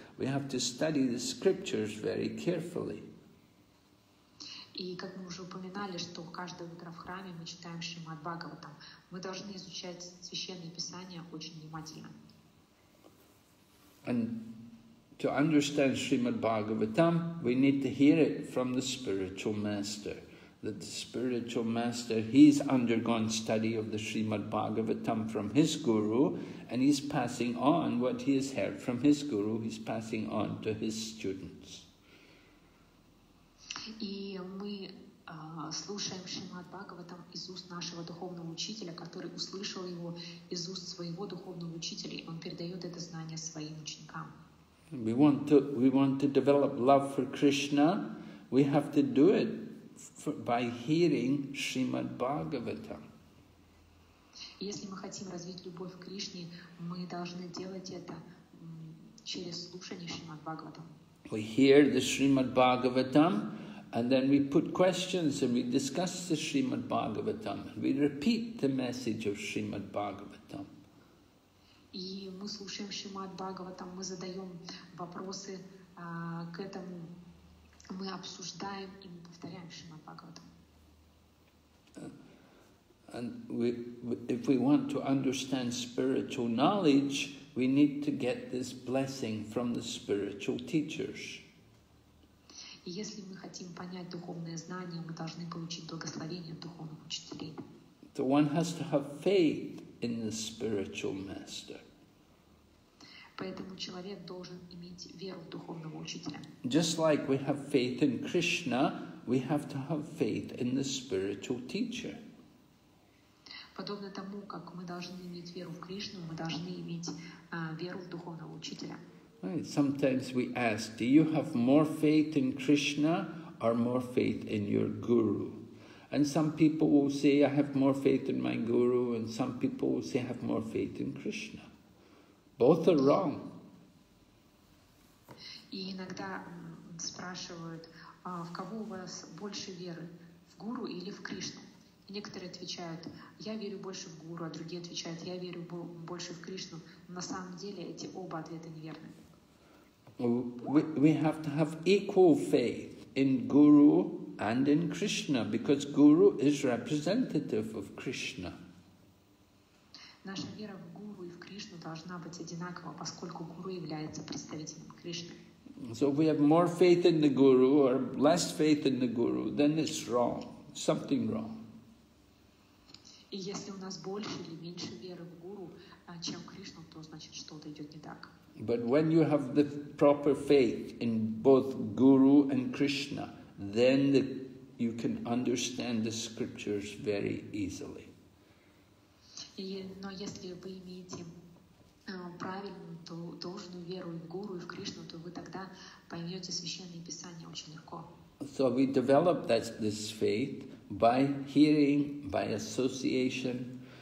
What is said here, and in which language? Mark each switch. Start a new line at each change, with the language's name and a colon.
English: We have to study the scriptures very carefully.
Russian: И как мы уже упоминали, что каждое утро в храме мы читаем Шримад Бхагаватам, мы должны изучать священные писания очень внимательно.
English: And to understand Shrimad Bhagavatam, we need to hear it from the spiritual master. That the spiritual master, he's undergone study of the Shrimad Bhagavatam from his guru, and he's passing on what he has heard from his guru, he's passing on to his students.
Russian: И мы слушаем Шримад Бхагаватам из уст нашего духовного учителя, который услышал его из уст своего духовного учителя, и он передает это знание своим ученикам.
English: We want to develop love for Krishna. We have to do it by hearing Shrimad Bhagavatam.
Russian: Если мы хотим развить любовь к Кришне, мы должны делать это через слушание Шримад Бхагаватам.
English: We hear the Shrimad Bhagavatam. And then we put questions and we discuss the Srimad Bhagavatam. And we repeat the message of Srimad Bhagavatam.
Russian: И мы слушаем Шримад Бхагаватам, мы задаем вопросы к этому, мы обсуждаем и мы повторяем Шримад Бхагаватам.
English: And if we want to understand spiritual knowledge, we need to get this blessing from the spiritual teachers.
Russian: И если мы хотим понять духовное знание, мы должны получить благословение от духовных учителей.
English: So one has to have faith in the spiritual master.
Russian: Поэтому человек должен иметь веру в духовного учителя.
English: Just like we have faith in Krishna, we have to have faith in the spiritual teacher.
Russian: Подобно тому, как мы должны иметь веру в Кришну, мы должны иметь веру в духовного учителя.
English: Sometimes we ask, do you have more faith in Krishna or more faith in your guru? And some people will say, I have more faith in my guru, and some people will say, I have more faith in Krishna. Both are wrong.
Russian: И иногда спрашивают, в кого у вас больше веры, в гуру или в Кришну? И некоторые отвечают, я верю больше в гуру, а другие отвечают, я верю больше в Кришну. На самом деле эти оба ответа неверны.
English: We have to have equal faith in Guru and in Krishna, because Guru is representative of Krishna.
Russian: Наша вера в Гуру должна быть одинакова, поскольку гуру является представителем Кришны.
English: So if we have more faith in the guru or less faith in the guru, then it's wrong. Something wrong.
Russian: И если у нас больше или меньше веры в гуру, чем в Кришну, то значит что-то идет не так.
English: But when you have the proper faith in both guru and Krishna, then you can understand the scriptures very easily.
Russian: Но если вы имеете правильную, должную веру в Гуру и в Кришну, то вы тогда поймете Священное Писание очень легко.
English: So we develop that, this faith by hearing, by association.